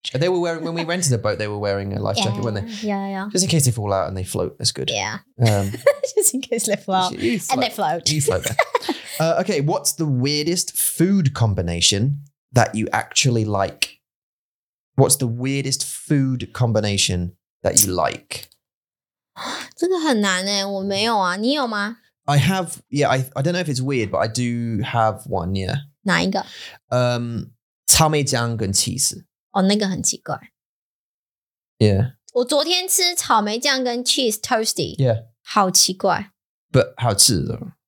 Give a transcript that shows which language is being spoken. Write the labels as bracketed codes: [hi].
[en] they were wearing when we rented the boat they were wearing a life jacket weren't they just in case they fall out and they float that's good just in case they fall out and they float you float there. okay what's the weirdest food combination that you actually like what's the weirdest food combination that you like [zh] 真的很难耶我没有啊你有吗 [en] I have yeah I don't know if it's weird but I do have one yeah [zh] 哪一个草莓酱跟 cheese 哦，那个很奇怪。 [en] Yeah， [zh] 我昨天吃草莓酱跟 [en] cheese toasty。 Yeah， [zh] 好奇怪。 [en] But [zh] 好吃的，